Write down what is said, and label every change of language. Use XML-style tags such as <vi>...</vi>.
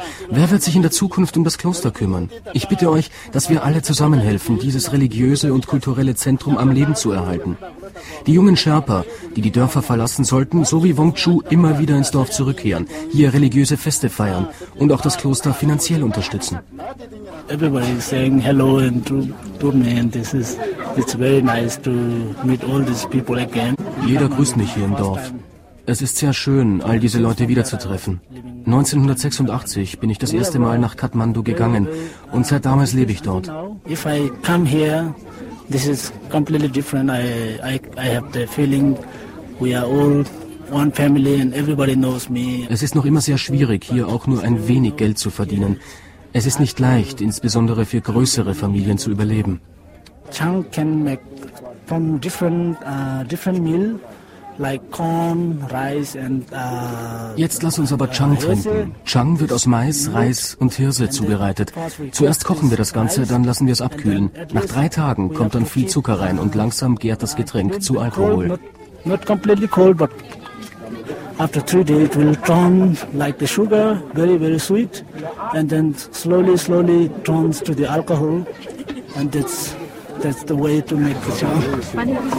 <de>Wer wird sich in der Zukunft um das Kloster kümmern? Ich bitte euch, dass wir alle zusammenhelfen, dieses religiöse und kulturelle Zentrum am Leben zu erhalten. Die jungen Sherpa, die Dörfer verlassen sollten, so wie Wong Chu, immer wieder ins Dorf zurückkehren, hier religiöse Feste feiern und auch das Kloster finanziell unterstützen.</de> <en>Everybody is saying hello and to me and this is, it's very nice to meet all these people again.</en> <de>Jeder grüßt mich hier im Dorf. Es ist sehr schön, all diese Leute wiederzutreffen. 1986 bin ich das erste Mal nach Kathmandu gegangen und seit damals lebe ich dort.</de> <en>If I come here, this is completely different. I have the feeling we are all one family and everybody knows me.</en> <de>Es ist noch immer sehr schwierig, hier auch nur ein wenig Geld zu verdienen. Es ist nicht leicht, insbesondere für größere Familien zu überleben.</de> <en>Chang can make from different meal, like corn, rice and.</en> <de>Jetzt lass uns aber Chang trinken. Chang wird aus Mais, Reis und Hirse zubereitet. Zuerst kochen wir das Ganze, dann lassen wir es abkühlen. Nach 3 Tagen kommt dann viel Zucker rein und langsam gärt das Getränk zu Alkohol.</de> <en>Not completely cold, but after 3 days it will turn like the sugar, very, very sweet. And then slowly, slowly turns to the alcohol. And that's the way to make the chang.</en>